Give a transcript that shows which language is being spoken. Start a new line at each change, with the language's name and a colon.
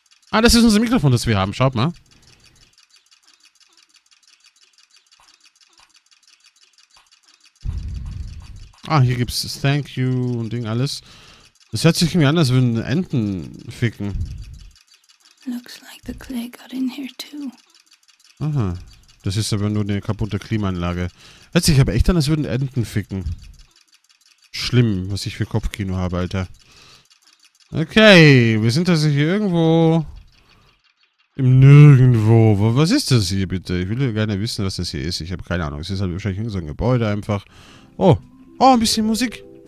German: Ah, das ist unser Mikrofon, das wir haben. Schaut mal. Ah, hier gibt's das
English: Thank you
German: und Ding alles. Das hört sich irgendwie an, als würden Enten ficken.
English: Looks like the clay got in here too.
German: Aha. Das ist aber nur eine kaputte Klimaanlage. Hört sich aber echt an, als würden Enten ficken. Schlimm, was ich für Kopfkino habe, Alter. Okay, wir sind also hier irgendwo. Im Nirgendwo. Was ist das hier bitte? Ich würde gerne wissen, was das hier ist. Ich habe keine Ahnung. Es ist halt wahrscheinlich irgendein so Gebäude einfach. Oh. Oh, ein bisschen Musik.